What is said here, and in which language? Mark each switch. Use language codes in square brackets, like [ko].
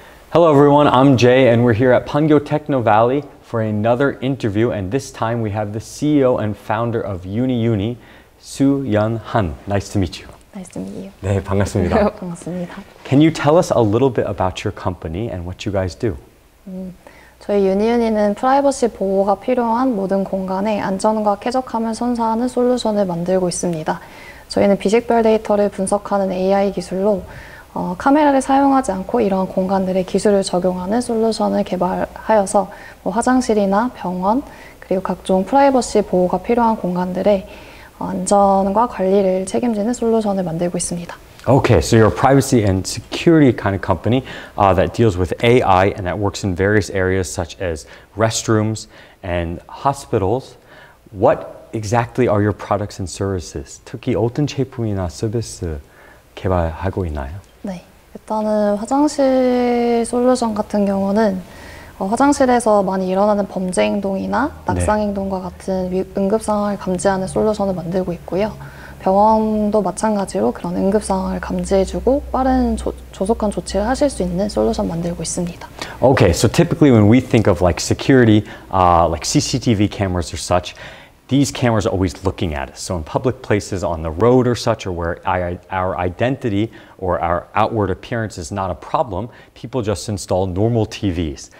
[en] Hello everyone, I'm Jay and we're here at Pungyo Techno Valley for another interview, and this time we have the CEO and founder of UNIUNI, Soo Yun Han. Nice to meet you. Nice to meet you. [ko] 네, 반갑습니다. 반갑습니다. [en] Can you tell us a little bit about your company and what you guys do? [ko] 저희 UNIUNI는 프라이버시 보호가 필요한 모든 공간에 안전과 쾌적함을 선사하는 솔루션을 만들고 있습니다. 저희는 비식별 데이터를 분석하는 AI 기술로 카메라를 사용하지 않고 이러한 공간들의 기술을 적용하는 솔루션을 개발하여서 화장실이나 병원 그리고 각종 프라이버시 보호가 필요한 공간들의 안전과 관리를 책임지는 솔루션을 만들고 있습니다. [en] Okay, so you're a privacy and security kind of company that deals with AI and that works in various areas such as restrooms and hospitals. What exactly are your products and services? [ko] 특히 어떤 제품이나 서비스 개발하고 있나요? 네, 일단은 화장실 솔루션 같은 경우는 화장실에서 많이 일어나는 범죄 행동이나 낙상 행동과 같은 응급 상황을 감지하는 솔루션을 만들고 있고요. 병원도 마찬가지로 그런 응급 상황을 감지해주고 빠른 조속한 조치를 하실 수 있는 솔루션 만들고 있습니다. [en] Okay, so typically when we think of like security, like CCTV cameras or such, these cameras are always looking at us. So in public places, on the road or such, or where our identity or our outward appearance is not a problem, people just install normal TVs.